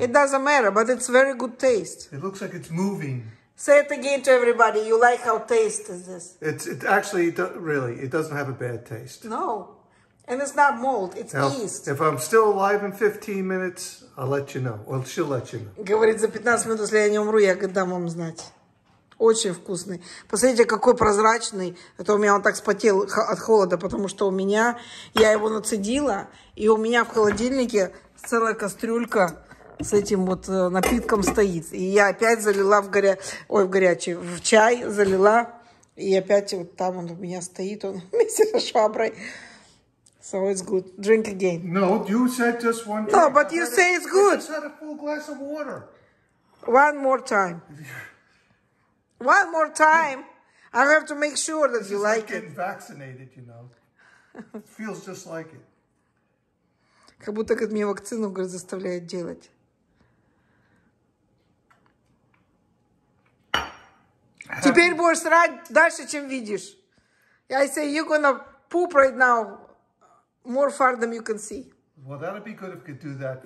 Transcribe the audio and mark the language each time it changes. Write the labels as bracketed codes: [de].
[en] It doesn't matter, but it's very good taste. It looks like it's moving. Say it again to everybody. You like how taste is this? It actually, really, it doesn't have a bad taste. No, and it's not mold. It's yeast. If I'm still alive in 15 minutes, I'll let you know. Well, she'll let you know. [ru] Говорит, за 15 минут, если я не умру, я дам вам знать. Очень вкусный. Посмотрите, какой прозрачный. Это у меня он так вспотел от холода, потому что у меня, я его нацедила, и у меня в холодильнике целая кастрюлька с этим вот напитком стоит. И я опять залила в чай залила, и опять вот там он у меня стоит, он вместе со шваброй. [en] So it's good. Drink again. No, you said just one drink. No, but you say it's good. I just had a full glass of water. One more time. One more time. I have to make sure that you like it. It's like getting vaccinated, you know. It feels just like it. [ru] Как будто как мне вакцину, говорит, заставляет делать. Теперь будешь срать дальше, чем видишь. [en] I say you're gonna poop right now more far than you can see. Well, that'd be good if you could do that.